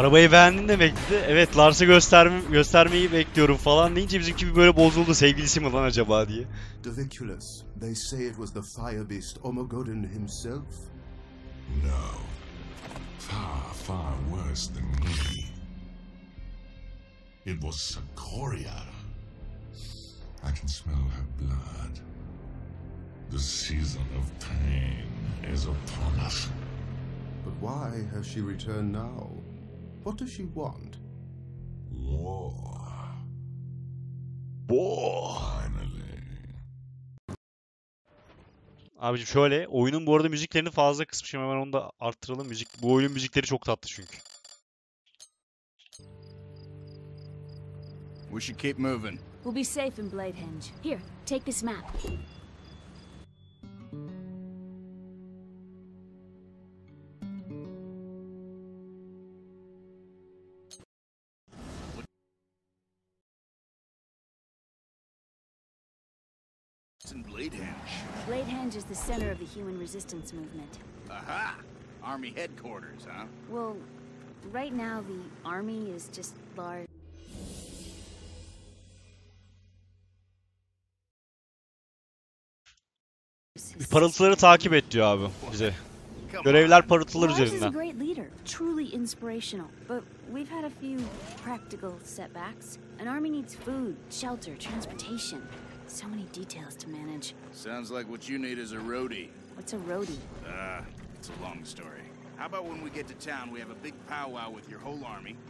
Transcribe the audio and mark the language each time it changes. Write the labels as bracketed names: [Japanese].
[Turkish] Arabayı beğendin demek ki. Evet, Lars'a göstermeyi bekliyorum falan deyince bizimki bir böyle bozuldu. Sevgilisi mi lan acaba diye. [English] Deviculus. They say it was the fire beast Omogodon himself. No. Far, far worse than me. It was Sikoria. I can smell her blood. The season of pain is upon us. But why has she returned now? What does she want? War. [Turkish] Abiciğim şöyle, oyunun bu arada müziklerini fazla kısmışım, hemen onu da arttıralım. Müzik, bu oyunun müzikleri çok tatlı çünkü. [English] We should keep moving. We'll be safe in Bladehenge. Here, take this map. Bladehenge is the center of the human resistance movement. Aha! Army headquarters, huh? Well, right now the army is just large. [Turkish] Bir parıltıları takip et diyor abi bize. Görevler parıltılar üzerinden. [English] Great leader, truly inspirational. But we've had a few practical setbacks. An army needs food, shelter, transportation. So many details to manage. Sounds like what you need is a roadie. What's a roadie? It's a long story. How about when we get to town, we have a big powwow with your whole army.